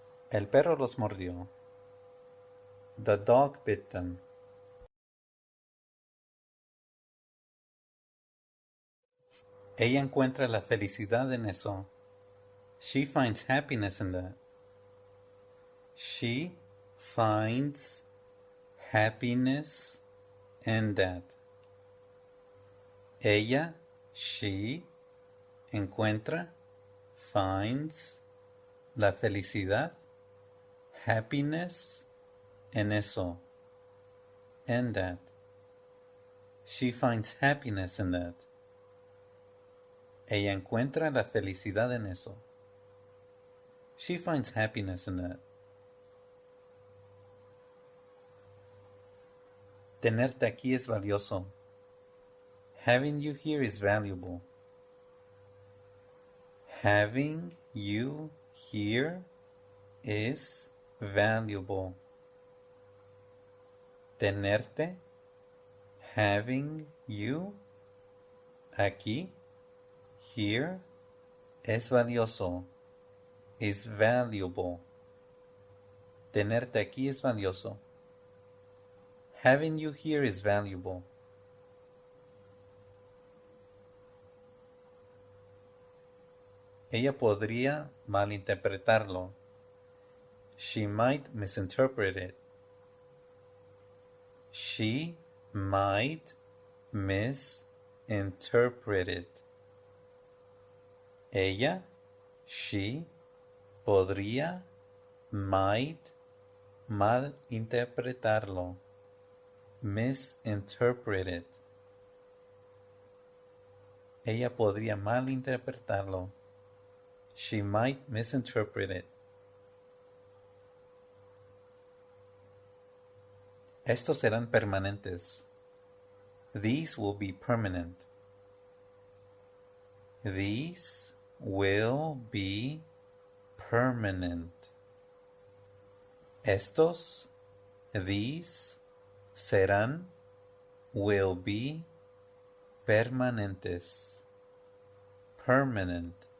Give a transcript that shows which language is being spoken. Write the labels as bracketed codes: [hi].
[es] El perro los mordió. [en] The dog bit them. [es] Ella encuentra la felicidad en eso. [en] She finds happiness in that. She finds happiness in that. [es] Ella, [en] she, [es] encuentra, [en] finds, [es] la felicidad, [en] happiness, [es] en eso, [en] in that. She finds happiness in that. [es] Ella encuentra la felicidad en eso. [en] She finds happiness in that. [es] Tenerte aquí es valioso. [en] Having you here is valuable. Having you here is valuable. [es] Tenerte, [en] having you, [es] aquí, [en] Here [es] es valioso. [en] Is valuable. [es] Tenerte aquí es valioso. [en] Having you here is valuable. [es] Ella podría malinterpretarlo. [en] She might misinterpret it. She might misinterpret it. [es] Ella, [en] she, [es] podría, [en] might, [es] malinterpretarlo. [en] Misinterpret it. [es] Ella podría malinterpretarlo. [en] She might misinterpret it. [es] Estos serán permanentes. [en] These will be permanent. These will be permanent. [es] Estos, [en] these, [es] serán, [en] will be, [es] permanentes. [en] Permanent.